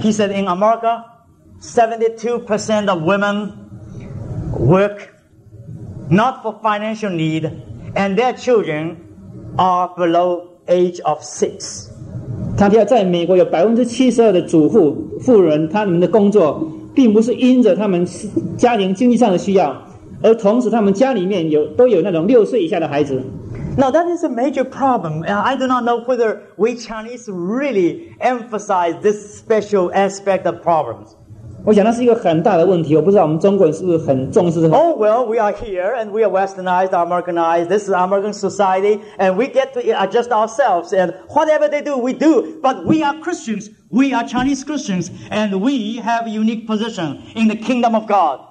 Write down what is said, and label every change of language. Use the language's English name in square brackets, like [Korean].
[English] He said in America, 72% of women work not for financial need, and their children are below age of 6. [Chinese] 他提到，在美国有72%的主妇，妇人他们的工作并不是因着他们家庭经济上的需要，而同时他们家里面都有那种6岁以下的孩子。 [English] Now that is a major problem. I do not know whether we Chinese really emphasize this special aspect of problems. [Chinese] 我想那是一个很大的问题，我不知道我们中国人是不是很重视这个。 [English] Oh well, we are here and we are westernized, Americanized. This is American society, and we get to adjust ourselves. And whatever they do, we do. But we are Christians. We are Chinese Christians, and we have a unique position in the kingdom of God.